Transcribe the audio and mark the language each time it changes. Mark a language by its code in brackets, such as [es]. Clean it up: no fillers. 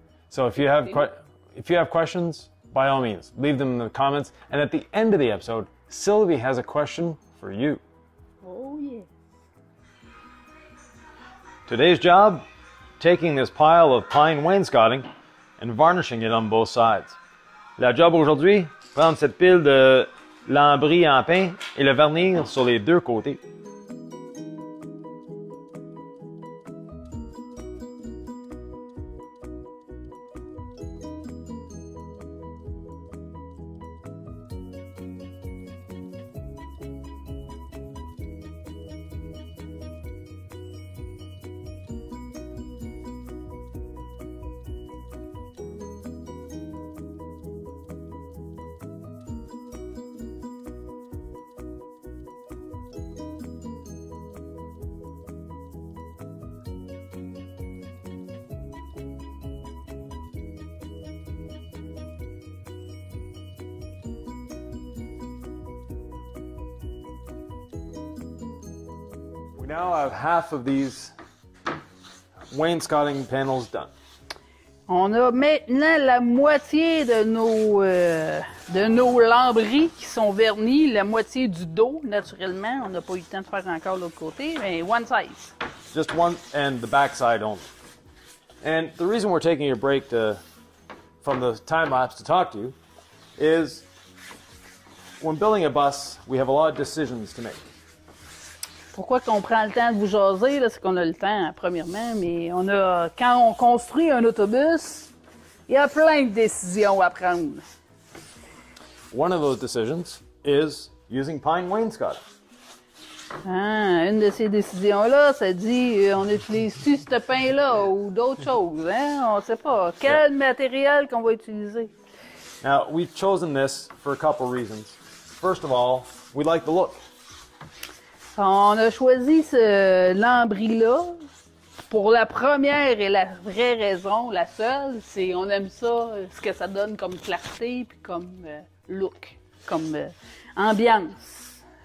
[en] So if you have questions, by all means, leave them in the comments. And at the end of the episode, Sylvie has a question for you. Oh, yeah. Today's job, taking this pile of pine wainscoting and varnishing it on both sides. [fr] La job aujourd'hui, prendre cette pile de lambris en pin et le vernir sur les deux côtés. [en] Now I have half of these wainscoting panels done. [fr] On a maintenant la moitié de nos lambris qui sont vernis, la moitié du dos naturellement. On n'a pas eu le temps de faire encore l'autre côté, mais [en] one size. Just one and the back side only. And the reason we're taking a break from the time lapse to talk to you is when building a bus, we have a lot of decisions to make. [fr] Pourquoi qu'on prend le temps de vous jaser, là, c'est qu'on a le temps, premièrement, mais on a, quand on construit un autobus, il y a plein de décisions à prendre. [en] One of those decisions is using pine wainscoting. [fr] Ah, une de ces décisions-là, ça dit, on utilise-tu ce pain-là ou d'autres choses, hein? On ne sait pas. Quel matériel qu'on va utiliser? [en] Now, we've chosen this for a couple reasons. First of all, we like the look. [fr] On a choisi ce lambris-là pour la première et la vraie raison, la seule, c'est on aime ça, ce que ça donne comme clarté puis comme look, comme ambiance.